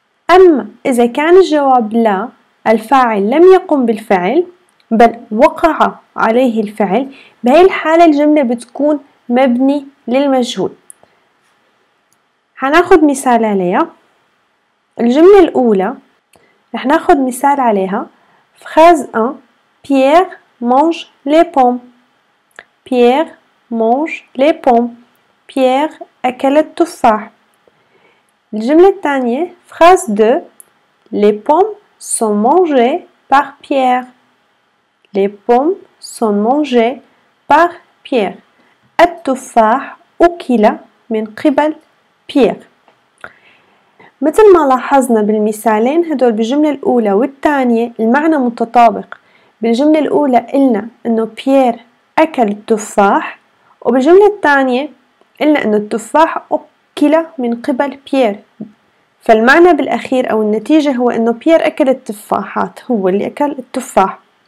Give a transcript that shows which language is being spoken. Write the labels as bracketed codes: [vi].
[ar] أما إذا كان الجواب لا، الفاعل لم يقوم بالفعل بل وقع عليه الفعل، بهي الحالة الجملة بتكون مبني للمجهول. هناخد مثال عليها. الجملة الأولى رح ناخد مثال عليها، [fr] phrase 1 Pierre mange les pommes. Pierre mange les pommes. [ar] Pierre أكل التفاح. الجملة الثانية [fr] phrase 2 Les pommes sont mangées par Pierre. Les pommes sont mangées par Pierre. [ar] التفاح أكل من قبل Pierre. مثل ما لاحظنا بالمثالين هدول بالجملة الأولى والثانية المعنى متطابق. بالجملة الأولى قلنا إنه بيير أكل التفاح، وبالجملة الثانية قلنا إنه التفاح أكل من قبل بيير، فالمعنى بالأخير أو النتيجة هو إنه بيير أكل التفاحات، هو اللي أكل التفاح.